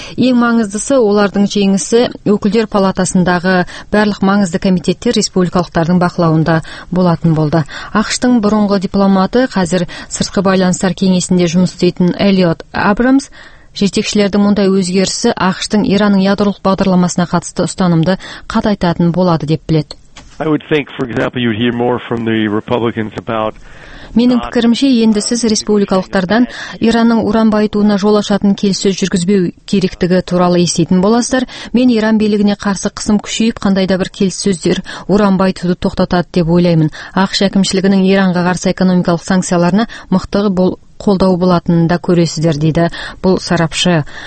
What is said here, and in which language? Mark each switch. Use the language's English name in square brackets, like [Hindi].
[Kazakh] Ең маңыздысы, олардың жеңісі өкілдер палатасындағы барлық маңызды комитеттер республикалықтардың бақылауында болатын болды. АКШ-тың бұрынғы дипломаты, қазір сыртқы байланыстар кеңесінде жұмыс істейтін Элиот Абрамс, жетекшілердің мұндай өзгерісі АКШ-тың Иранның ядролық бағдарламасына қатысты ұстанымды қатайтатын болады деп біледі. [English] I would think, for example, you'd hear more from the Republicans about... [Kazakh] Менің пікірімше, енді сіз республикалықтардан Иранның уран байытуына жол ашатын келіссөз жүргізбеу керектігі туралы естейтін боласыздар. Мен Иран билігіне қарсы қысым күшейіп, қандай да бір келіссөздер уран байытуды тоқтатады деп ойлаймын. АКШ әкімшілігінің Иранға қарсы экономикалық санкцияларына мықтығы қолдау болатынын да көресіздер, дейді бұл сарапшы.